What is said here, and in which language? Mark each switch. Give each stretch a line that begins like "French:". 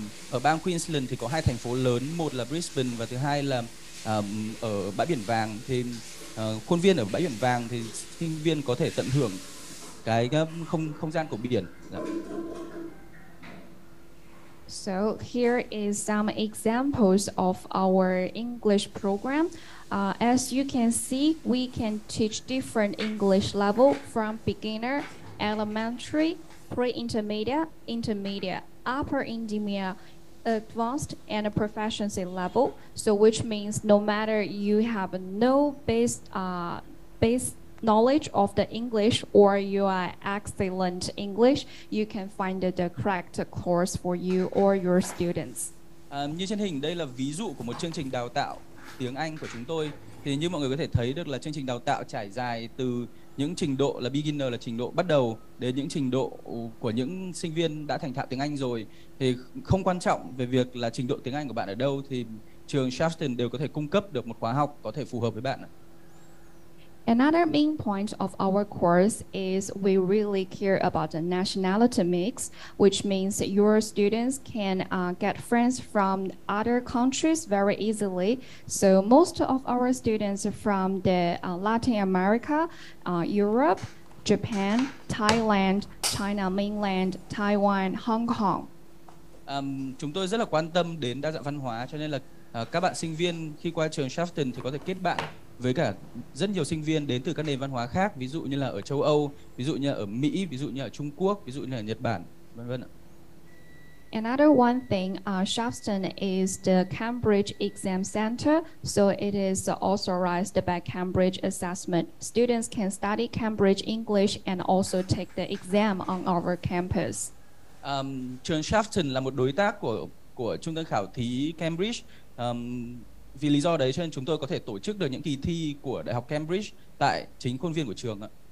Vietnamese: Ở bang Queensland thì có hai thành phố lớn, một là Brisbane và thứ hai là ở bãi biển vàng. Thì khuôn viên ở bãi biển vàng thì sinh viên có thể tận hưởng cái không gian của biển.
English: So here is some examples of our English program. As you can see, we can teach different English level from beginner, elementary, pre-intermediate, intermediate. upper endemia advanced and a proficiency level, so which means no matter you have no base knowledge of the English or you are excellent English, you can find the correct course for you or your students.
Vietnamese: Như trên hình đây là ví dụ của một chương trình đào tạo tiếng Anh của chúng tôi. Thì như mọi người có thể thấy được là chương trình đào tạo trải dài từ những trình độ là beginner, là trình độ bắt đầu, đến những trình độ của những sinh viên đã thành thạo tiếng Anh rồi. Thì không quan trọng về việc là trình độ tiếng Anh của bạn ở đâu, thì trường Sharpton đều có thể cung cấp được một khóa học có thể phù hợp với bạn.
English: Another main point of our course is we really care about the nationality mix, which means that your students can get friends from other countries very easily. So most of our students are from the Latin America, Europe, Japan, Thailand, China mainland, Taiwan, Hong Kong.
Vietnamese: Chúng tôi rất là quan tâm đến đa dạng văn hóa, cho nên là các bạn sinh viên khi qua trường Sharpton thì có thể kết bạn với cả rất nhiều sinh viên đến từ các nền văn hóa khác, ví dụ như là ở châu Âu, ví dụ như là ở Mỹ, ví dụ như là ở Trung Quốc, ví dụ như là ở Nhật Bản, vân vân.
English: Another one thing, Sharpton is the Cambridge Exam Center, so it is authorized by Cambridge Assessment. Students can study Cambridge English and also take the exam on our campus.
Vietnamese: Trường Sharpton là một đối tác của trung tâm khảo thí Cambridge. Vì lý do đấy cho nên chúng tôi có thể tổ chức được những kỳ thi của Đại học Cambridge tại chính khuôn viên của trường ạ.